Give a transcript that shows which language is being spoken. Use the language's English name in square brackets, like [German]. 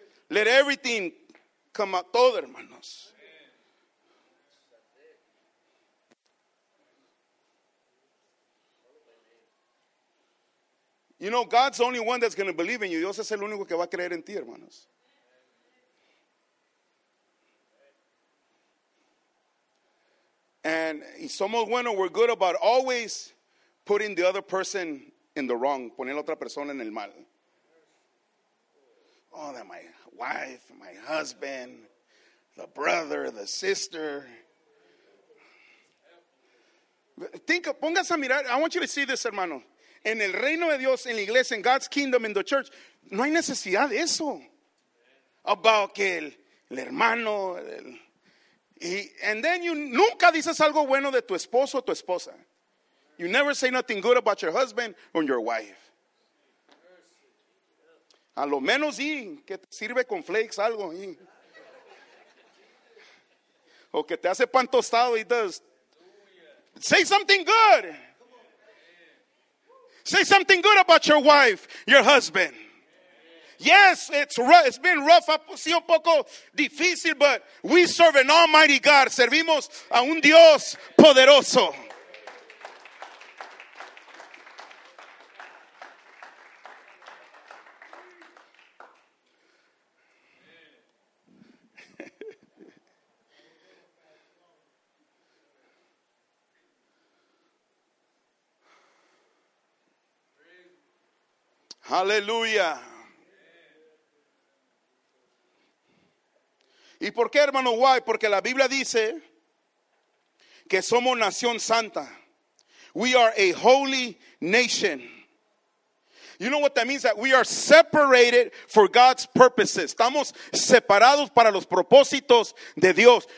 [English] Let everything come out. [Spanish] Todo, hermanos. [English] You know, God's the only one that's going to believe in you. [Spanish] Dios es el único que va a creer en ti, hermanos. [English] And [Spanish] somos buenos, [English] we're good about always putting the other person in the wrong, [Spanish] poner a otra persona en el mal. [English] Oh, that my wife, my husband, the brother, the sister. Think, [Spanish] póngase a mirar, [English] I want you to see this, hermano. [Spanish] en el reino de Dios, en la iglesia, en [English] God's kingdom, in the church, [Spanish] no hay necesidad de eso. About que el hermano, el, y, [English] and then you [Spanish] nunca dices algo bueno de tu esposo o tu esposa. [English] You never say nothing good about your husband or your wife. [Spanish] A lo menos sí, que te sirve con flakes algo. Y, o que te hace pan tostado y does. [English] Say something good. Say something good about your wife, your husband. Yes, it's rough. It's been rough. [Spanish] Ha sido un poco difícil, [English] but we serve an almighty God. [Spanish] Servimos a un Dios poderoso. Aleluya. ¿Y por qué, hermano? Why? Porque la Biblia dice que somos nación santa. [English] We are a holy nation. You know what that means? That we are separated for God's purposes. [Spanish] Estamos separados para los propósitos de Dios.